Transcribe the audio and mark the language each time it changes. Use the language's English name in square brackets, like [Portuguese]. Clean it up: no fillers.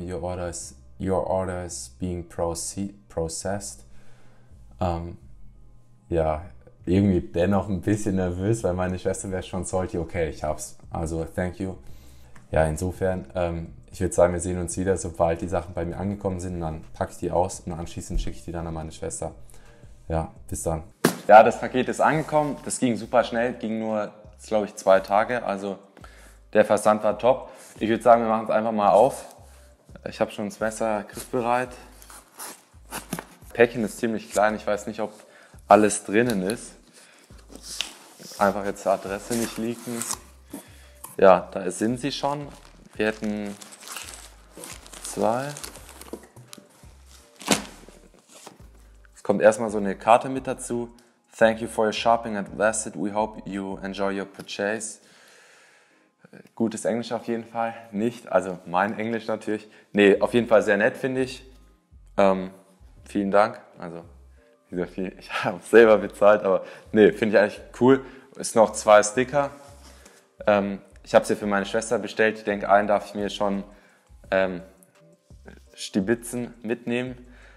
[English] Your order is being processed. [German] Ja, irgendwie dennoch ein bisschen nervös, weil meine Schwester wäre schon salty. Okay, ich hab's. Also, [English] thank you. [German] Ja, insofern, ich würde sagen, wir sehen uns wieder, sobald die Sachen bei mir angekommen sind. Dann packe ich die aus und anschließend schicke ich die dann an meine Schwester. Ja, bis dann. Ja, das Paket ist angekommen. Das ging super schnell. Ging nur, glaube ich, 2 Tage. Also, der Versand war top. Ich würde sagen, wir machen es einfach mal auf. Ich habe schon das Messer griffbereit. Päckchen ist ziemlich klein. Ich weiß nicht, ob alles drinnen ist. Einfach jetzt die Adresse nicht leaken. Ja, da sind sie schon. Wir hätten 2. Es kommt erstmal so eine Karte mit dazu. [English] Thank you for your shopping at Vested. We hope you enjoy your purchase. [German] Gutes Englisch auf jeden Fall. Nicht, also mein Englisch natürlich. Nee, auf jeden Fall sehr nett, finde ich. Vielen Dank. Also, wie gesagt, ich habe es selber bezahlt, aber nee, finde ich eigentlich cool. Ist noch 2 Sticker. Ich habe sie für meine Schwester bestellt. Ich denke, einen darf ich mir schon stibitzen mitnehmen.